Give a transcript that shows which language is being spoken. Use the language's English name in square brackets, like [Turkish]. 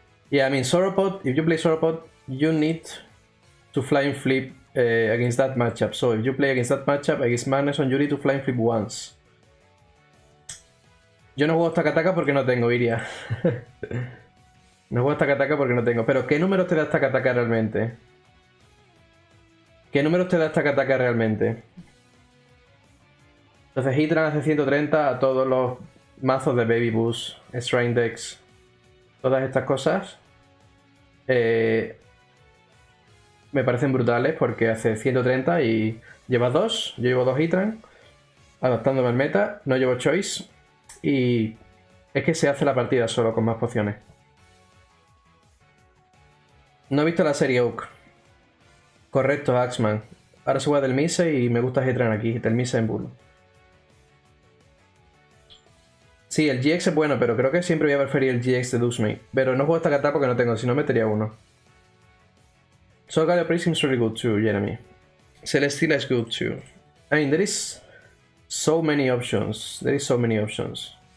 [English] Yeah, I mean, Sauropod, if you play Sauropod, you need to flying flip. Against that matchup. So if you play against that matchup, against Magneson, you need to flying flip once. [Spanish] Yo no juego Stack Attack porque no tengo, iría. No juego Stack Attack porque no tengo. Pero ¿qué números te da Stack Attack realmente? ¿Qué números te da Stack Attack realmente? Entonces Heatran hace 130 a todos los mazos de Baby Boost, Shrine Decks, todas estas cosas. Me parecen brutales porque hace 130 y llevas 2. Yo llevo 2 Heatran, adaptándome al meta. No llevo Choice. Y es que se hace la partida solo con más pociones. No he visto la serie Oak. Correcto, Axeman. Ahora se juega Delmise y me gusta Heatran aquí. Delmise en Bulu. Sí, el GX es bueno, pero creo que siempre voy a preferir el GX de Dusmate. Pero no juego esta carta porque no tengo, si no metería uno. [English] So Galio Priest seems really good too, Jeremy. Celestina is good too. I mean, there is so many options. There is so many options.